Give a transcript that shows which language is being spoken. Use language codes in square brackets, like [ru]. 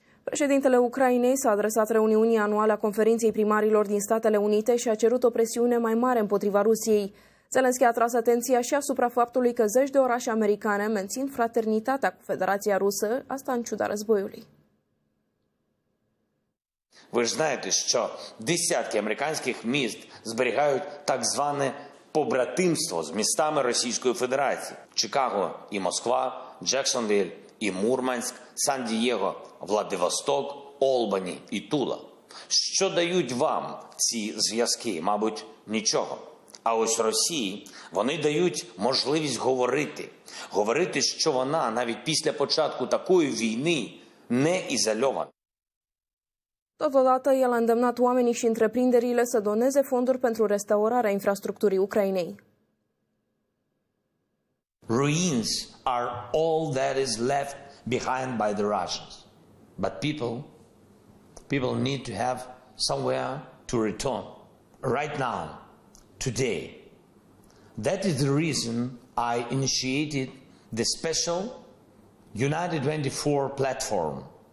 [ro] Președintele Ucrainei s-a adresat reuniunii anuale a Conferinței Primarilor din Statele Unite și a cerut o presiune mai mare împotriva Rusiei. Zelenski a tras atenția și asupra faptului că zeci de orașe americane mențin fraternitatea cu Federația Rusă, asta în ciuda războiului. [uk] Ви ж знаєте, що десятки американських міст зберігають так зване побратимство з містами Російської Федерації. Чикаго і Москва, Джексонвіль і Мурманськ, Сан-Дієго, Владивосток, Олбані і Тула. Що дають вам ці зв'язки? Мабуть, нічого. А ось Росії вони дають можливість говорити. Говорити, що вона навіть після початку такої війни не ізольована. [ro] Totodată, el a îndemnat oamenii și întreprinderile să doneze fonduri pentru restaurarea infrastructurii Ucrainei. [en] Ruins are all that is left behind by the Russians. But people need to have somewhere to return. Right now, today. That is the reason I initiated the special United 24 platform.